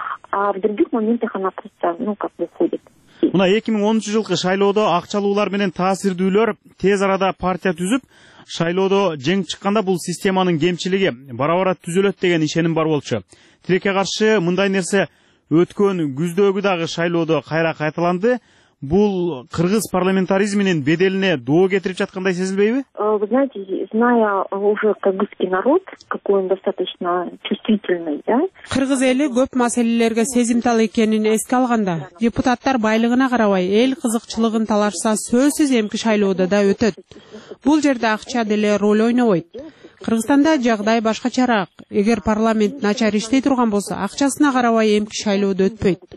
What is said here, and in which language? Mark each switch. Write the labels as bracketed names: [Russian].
[Russian] А в других моментах она просто, ну, как бы уходит. [Kyrgyz] Мына 2010 жылкы шайлоодо акчалуулар менен таасирдүүлөр тез арада партия түзүп, шайлоодо жеңип чыкканда бул системанын кемчилиги бара-бара түзөлөт деген ишеним бар болчу. Тилекке каршы мындай нерсе өткөн күздөгү дагы шайлоодо кайра кайталанды. бул кыргыз парламентаризминин беделине доо кетирип жаткандай сезилбейби? [Russian] Вы знаете, зная уже кыргызский народ, какой он достаточно чувствительный, да? [Kyrgyz] Кыргыз эли көп маселелерге сезимтал экенин эске алганда, депутаттар байлыгына карабай, эл кызыкчылыгын талашса сөзсүз эмки шайлоодо да өтөт. Бул жерде акча деле роль ойнобойт. Кыргызстанда жагдай башкачараак. Эгер парламент начар иштей турган болсо, акчасына карабай эмки шайлоодо өтпөйт.